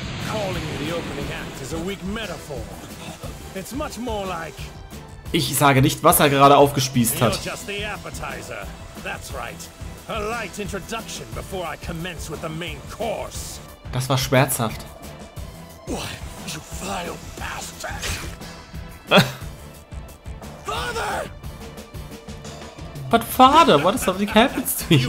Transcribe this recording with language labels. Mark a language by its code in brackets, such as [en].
[en] Calling the opening act is a weak metaphor. It's much more like... [de] Ich sage nicht, was er gerade aufgespießt hat. [en] You're just the appetizer. That's right. A light introduction before I commence with the main course. [de] Das war schmerzhaft. [en] What, you vile bastard? Father! But father, what if something happens to you?